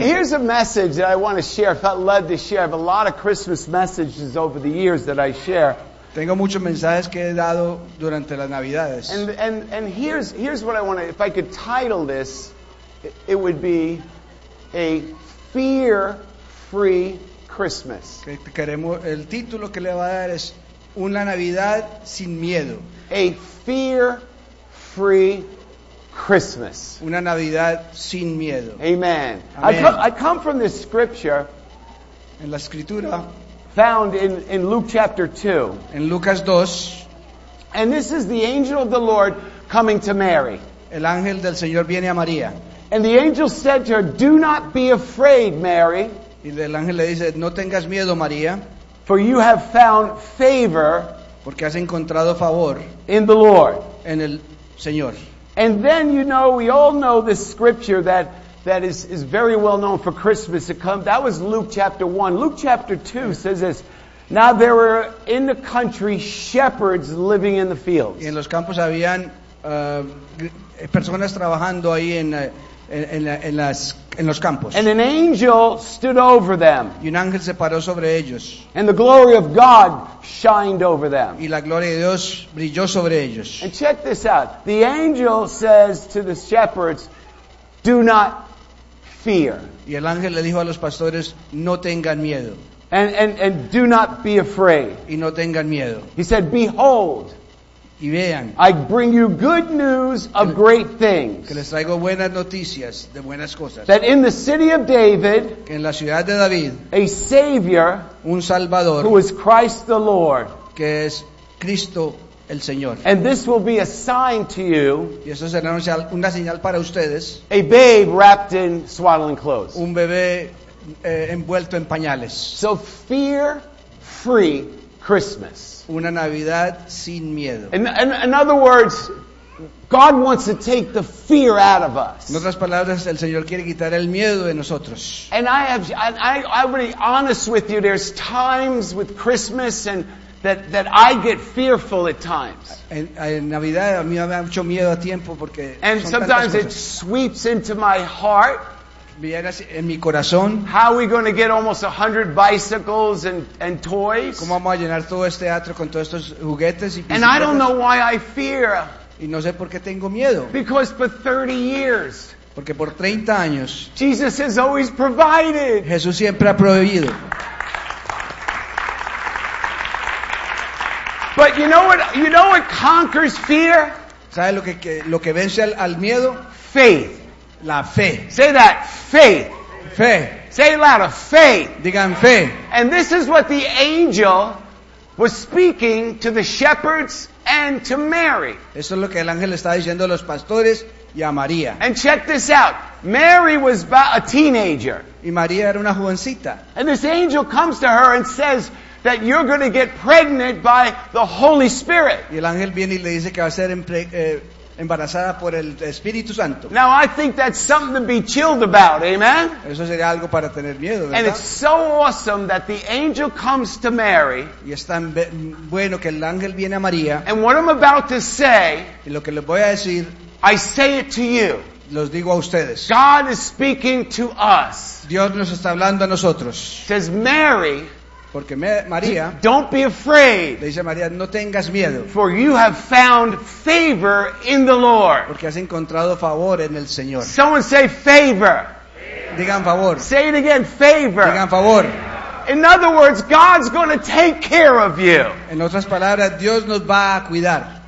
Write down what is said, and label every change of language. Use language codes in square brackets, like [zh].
[en] Here's a message that I want to share. I felt led to share. I have a lot of Christmas messages over the years that I share. [es] Tengo muchos mensajes que he dado durante las Navidades. [en] And here's what I want to, if I could title this, it would be a fear-free Christmas. [es] Queremos, el título que le va a dar es una Navidad sin miedo. [en] A fear-free Christmas. [es] Una Navidad sin miedo. [en] Amen. I come from this scripture. [es] En la escritura. [en] Found in Luke chapter 2. [es] En Lucas 2. [en] And this is the angel of the Lord coming to Mary. [es] El ángel del Señor viene a María. [en] And the angel said to her, "Do not be afraid, Mary." [es] Y el ángel le dice, "No tengas miedo, María." [en] "For you have found favor." [es] Porque has encontrado favor. [en] "In the Lord." [es] En el Señor. [en] And then, you know, we all know this scripture that is very well known for Christmas to come. That was Luke chapter 1. Luke chapter 2 says this. "Now there were in the country shepherds living in the fields." [es] Y en los campos habían personas trabajando ahí en los campos. [en] "And an angel stood over them." [es] Y un ángel se paró sobre ellos. [en] "And the glory of God shined over them." [es] Y la gloria de Dios brilló sobre ellos. [en] And check this out. The angel says to the shepherds, "Do not fear." [es] Y el ángel le dijo a los pastores, "No tengan miedo." [en] And "Do not be afraid." [es] Y no tengan miedo. [en] He said, "Behold." [es] Y vean, [en] "I bring you good news of great things." [es] Que les traigo buenas noticias de buenas cosas. [en] "That in the city of David," [es] que en la ciudad de David, [en] "a Savior," [es] un Salvador, [en] "who is Christ the Lord," [es] que es Cristo el Señor, [en] "and this will be a sign to you," [es] y eso será una señal para ustedes, [en] "a babe wrapped in swaddling clothes," [es] un bebé envuelto en pañales. [en] So fear free Christmas. [es] Una Navidad sin miedo. [en] In other words, God wants to take the fear out of us. [es] En otras palabras, el Señor quiere quitar el miedo de nosotros. [en] And I'm really honest with you. There's times with Christmas and that I get fearful at times. [es] En Navidad a mí me da mucho miedo a tiempo porque. [en] And sometimes it sweeps into my heart. [es] En mi corazón, [en] how are we going to get almost 100 bicycles and toys? [es] ¿Cómo vamos a llenar todo este teatro con todos estos juguetes y [en] bicicletas? And I don't know why I fear. [es] Y no sé por qué tengo miedo. [en] Because for 30 years. [es] Porque por 30 años. [en] Jesus has always provided. [es] Jesús siempre ha proveído. [en] But you know what conquers fear? [es] ¿Sabes lo que vence al miedo? [en] Faith. [es] La fe. [en] Say that, faith. [es] Fe. [en] Say it louder, faith. [es] Digan fe. [en] And this is what the angel was speaking to the shepherds and to Mary. [es] Eso es lo que el ángel está diciendo a los pastores y a María. [en] And check this out. Mary was a teenager. [es] Y María era una jovencita. [en] And this angel comes to her and says that you're going to get pregnant by the Holy Spirit. [es] Y el ángel viene y le dice que va a ser embarazada por el Espíritu Santo. [en] Now I think that's something to be chilled about, amen? [es] Eso sería algo para tener miedo, ¿verdad? [en] And it's so awesome that the angel comes to Mary. [es] Y es tan bueno que el ángel viene a María. [en] And what I'm about to say, [es] y lo que les voy a decir, [en] I say it to you. [es] Los digo a ustedes. [en] God is speaking to us. [es] Dios nos está hablando a nosotros. [en] Says Mary. [es] Porque María, [en] don't be afraid. [es] Le dice a María, no tengas miedo. [en] For you have found favor in the Lord. [es] Porque has encontrado favor en el Señor. [en] Someone say favor. [es] Digan favor. [en] Say it again, favor. [es] Digan favor. [en] In other words, God's going to take care of you. [es] En otras palabras, Dios nos va a cuidar.